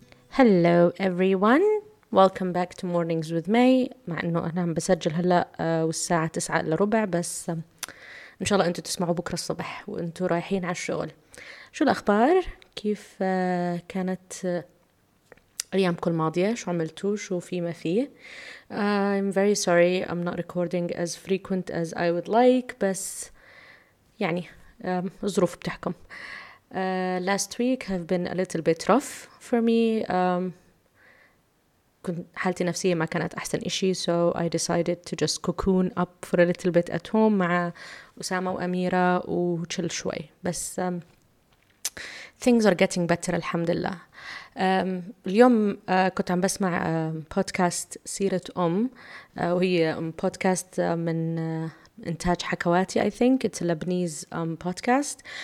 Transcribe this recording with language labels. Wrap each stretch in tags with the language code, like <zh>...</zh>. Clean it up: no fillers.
<en>Hello everyone, welcome back to Mornings with May.</en> <ar>مع أنه أنا عم بسجل هلأ والساعة 9:15، بس إن شاء الله أنتوا تسمعوا بكرة الصبح وأنتوا رايحين على الشغل. شو الأخبار؟ كيف كانت أيامكم الماضية؟ شو عملتوا؟ شو في ما فيه؟</ar> <en>I'm very sorry I'm not recording as frequent as I would like,</en> <ar>بس يعني الظروف بتحكم.</ar> <en>Last week have been a little bit rough for me.</en> <ar>حالتي النفسية ما كانت أحسن إشي,</ar> <en>so I decided to just cocoon up for a little bit at home</en> <ar>مع أسامة وأميرة و</ar> <en>chill</en> <ar>شوي.</ar> <en>بس things are getting better</en> <ar>الحمد لله. اليوم كنت عم بسمع بودكاست سيرة أم, وهي بودكاست من إنتاج حكواتي,</ar> <en>I think it's a Lebanese podcast.</en>